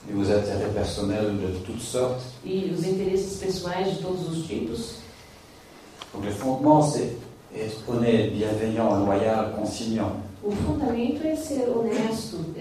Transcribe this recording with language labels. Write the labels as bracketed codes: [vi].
[fr] Et aux intérêts personnels de toutes sortes. [pt] E os interesses pessoais de todos os tipos. [fr] Donc, le fondement, c'est être honnête, bienveillant, loyal, conciliant. [pt] O fundamento é ser honesto,